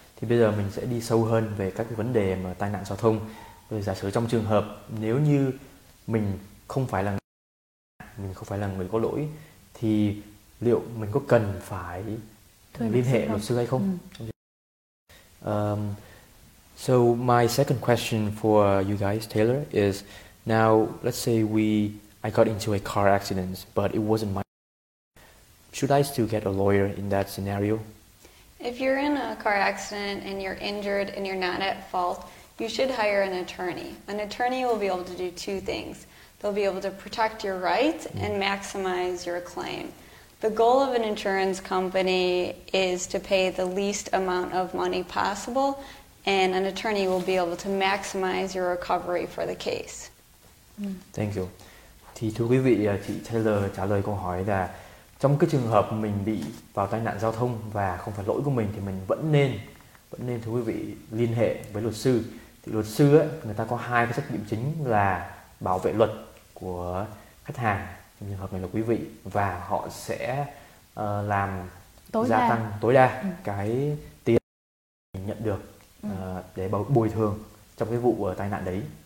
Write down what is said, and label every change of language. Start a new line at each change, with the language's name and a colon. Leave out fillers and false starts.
Vietnamese: Thì bây giờ mình sẽ đi sâu hơn về các cái vấn đề mà tai nạn giao thông. Rồi giả sử trong trường hợp nếu như mình không phải là người có lỗi thì liệu mình có cần phải liên hệ luật sư hay không?
English: So my second question for you guys, Taylor, is now let's say I got into a car accident but it wasn't my should I still get a lawyer in that scenario? If you're in a car accident and you're injured and you're not at fault, you should hire an attorney. An attorney will be able to do two things. They'll be able to protect your rights and maximize your claim. The goal of an insurance company is to pay the least amount of money possible, and an attorney will be able to maximize your recovery for the case. Thank you.
Vietnamese: Thì thưa quý vị, chị Taylor trả lời câu hỏi là trong cái trường hợp mình bị vào tai nạn giao thông và không phải lỗi của mình thì mình vẫn nên thưa quý vị liên hệ với luật sư. Thì luật sư ấy, người ta có hai cái trách nhiệm chính là bảo vệ luật của khách hàng trong trường hợp này là quý vị, và họ sẽ làm gia tăng tối đa cái tiền mình nhận được để bồi thường trong cái vụ tai nạn đấy.